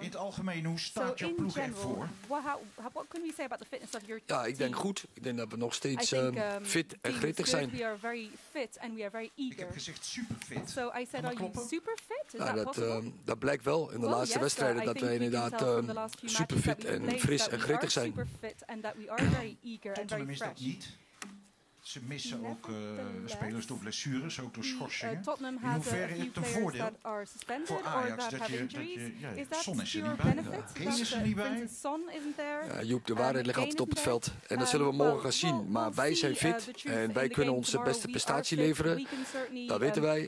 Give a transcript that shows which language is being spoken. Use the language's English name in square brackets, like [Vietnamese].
[Dutch] In het algemeen, hoe staat jouw ploeg ervoor? [English] What can we say about the fitness of your team? [Dutch] Ja, ik denk goed. Ik denk dat we nog steeds fit en gretig zijn. [English] We are very fit and we are very eager. [Dutch] Ik heb gezegd super fit. [English] So I said, are you super fit? Is that possible? [Dutch] Dat blijkt wel in de laatste wedstrijden dat we inderdaad super fit en fris en gretig zijn. [English] Super fit and that we are very eager and very fresh. [Dutch] Tottenham is dat niet. Ze missen ook spelers door blessures, ook door schorsingen. Tottenham [English] has [Dutch] in hoeverre is het een voordeel voor Ajax dat je Son is er niet bij? Kees is er niet bij? Joep, de waarheid ligt altijd op het veld. En dat zullen we morgen gaan zien. Maar wij zijn fit en wij kunnen onze beste prestatie leveren. Dat weten wij.